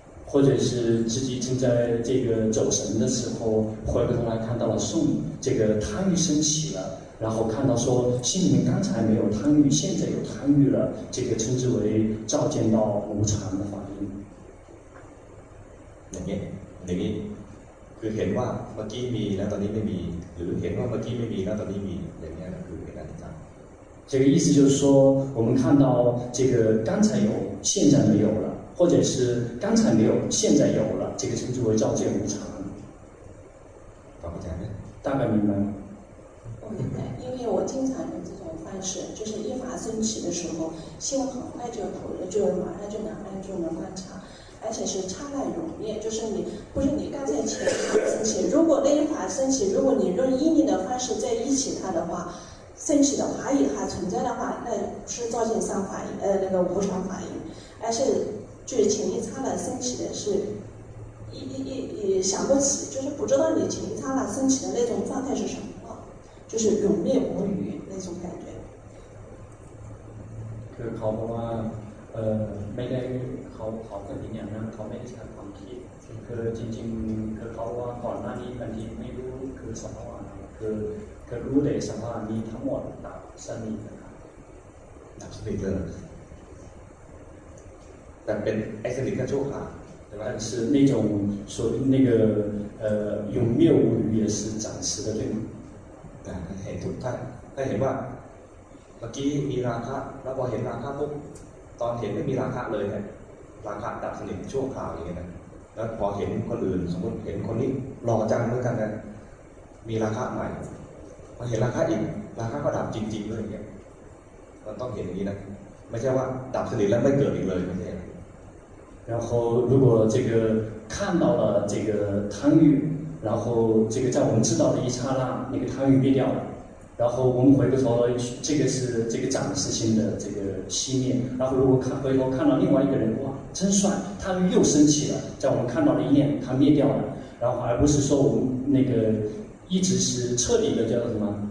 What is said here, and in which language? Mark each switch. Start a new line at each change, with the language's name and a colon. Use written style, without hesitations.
Chinese: 或者是自己正在这个走神的时候回过头来看到了送这个贪欲升起了然后看到说心里面刚才没有贪欲现在有贪欲了这个称之为照见到无常的法印哪边
Thai: คือเห็นว่าเมื่อกี้มีแล้วตอนนี้ไม่มีหรือเห็นว่าเมื่อกี้ไม่มีแล้วตอนนี้มีอย่างนี้ก็คือเห็นอนิจจัง
Chinese: 这个意思就是说我们看到这个刚才有现在没有了或者是刚才没有现在有了这个称之为照见无常大概明白大概明白因为我经常有这种方式就是一法升起的时候心很快就投入就马上就能安住能观察而且是刹那永灭就是你不是你刚才前一法升起如果那一法升起如果你用意念的方式在一起它的话升起的法印还存在的话，那是照见三法印，那个无常法印。而且，就是前一刹那升起的是一想不起，就是不知道你前一刹那升起的那种状态是什么，就是永灭无余那种感觉。
Thai: คือเขาบอกว่าไม่ได้เขาเป็นอย่างนั้นเขาไม่ได้ใช้ความคิดคือจริงๆคือเขาว่าก่อนหน้านี้บางทีไม่รู้คือสภาวะคือก็รู้ได้สภาวะนี้ทั้งหมดดับสนิทนะครับ ดับสนิทเลยแต่เป็นไอ้สนิทแค่ชั่วคราวใช่ไหม
Chinese: 但是那种所谓那个永灭无余也是暂时的对吗
Thai: แต่เห็นทุกท่านได้เห็นว่าเมื่อกี้มีราคะแล้วพอเห็นราคะปุ๊บตอนเห็นไม่มีราคะเลยฮะราคะดับสนิทชั่วคราวอย่างเงี้ยนะแล้วพอเห็นคนอื่นสมมติเห็นคนนี้หล่อจังเหมือนกันนะมีราคะใหม่เห็นราคาอีกราคาก็ดับจริงๆเลยเนี่ยมันต้องเห็นอย่างนี้นะไม่ใช่ว่าดับสนิทแล้วไม่เกิดอีกเลยไม่ใช่แ
Chinese: ล้ว如果这个看到了这个贪欲然后这个在我们知道的一刹那那个贪欲灭掉了然后我们回过头这个是这个暂时性的这个熄灭然后如果看回头看到另外一个人哇真帅他又升起了在我们看到的一念他灭掉了然后而不是说我们那个一直是彻底的叫什么？